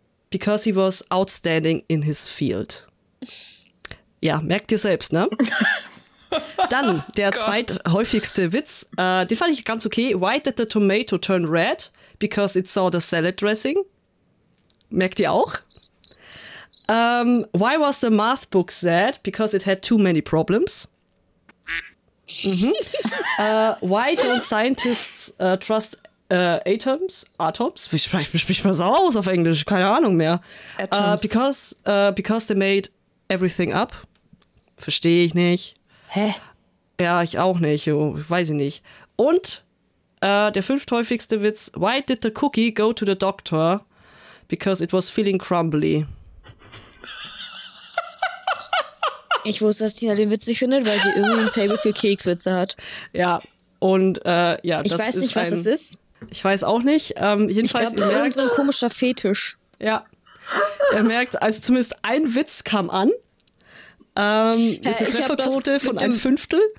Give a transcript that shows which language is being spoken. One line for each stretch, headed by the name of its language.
English: Because he was outstanding in his field.
German: Ja, merkt ihr selbst, ne? Dann der zweithäufigste Witz, den fand ich ganz okay.
English: Why did the tomato turn red? Because it saw the salad dressing.
German: Merkt ihr auch?
English: Why was the math book sad? Because it had too many problems. Mhm. Why don't scientists trust Atoms?
German: Vielleicht spricht man so aus auf Englisch, keine Ahnung mehr.
English: Because they made everything up.
German: Verstehe ich nicht. Hä? Ja, ich auch nicht. Oh, weiß ich nicht. Und der fünfthäufigste Witz:
English: Why did the cookie go to the doctor? Because it was feeling crumbly.
German: Ich wusste, dass Tina den witzig findet, weil sie irgendwie ein Fable für Kekswitze hat. Ja, und ja. Ich das weiß ist nicht, was es ist. Ich weiß auch nicht. Jedenfalls, ich glaube, irgend so ein komischer Fetisch. Ja. Er merkt, also zumindest ein Witz kam an. Ist eine Trefferquote von 1/5.